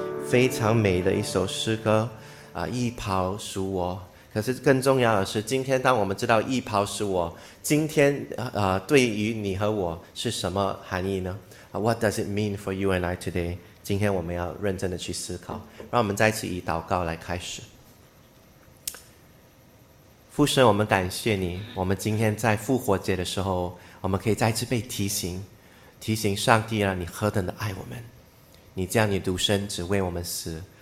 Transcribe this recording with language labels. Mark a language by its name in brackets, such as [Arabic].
[Chinese] 非常美的一首诗歌，一袍属我。可是更重要的是，今天当我们知道一袍属我，今天对于你和我是什么含义呢？ [English] What does it mean for you and I today？ [Chinese] 今天我们要认真的去思考。让我们再次以祷告来开始。父神，我们感谢你，我们今天在复活节的时候，我们可以再次被提醒上帝啊，你何等的爱我们，你将你独生子为我们死。